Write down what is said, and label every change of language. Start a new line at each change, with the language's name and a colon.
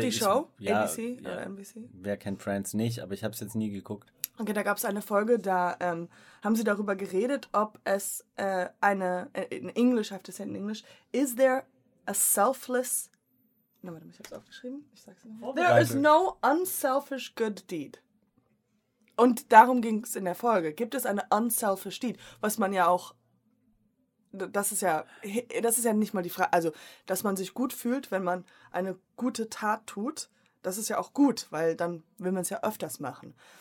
German: die Show? Ja, ABC ja. Oder NBC? Wer kennt Friends nicht, aber ich habe es jetzt nie geguckt. Okay, da gab es eine Folge, da haben sie darüber geredet, ob es eine. In Englisch heißt es ja in Englisch.
English: Is there a selfless.
German: Na, warte, ich hab's aufgeschrieben. Ich sag's nochmal.
English: There is no unselfish good deed.
German: Und darum ging es in der Folge. Gibt es eine unselfish deed? Was man ja auch. Das ist ja nicht mal die Frage. Also, dass man sich gut fühlt, wenn man eine gute Tat tut, das ist ja auch gut, weil dann will man es ja öfters machen.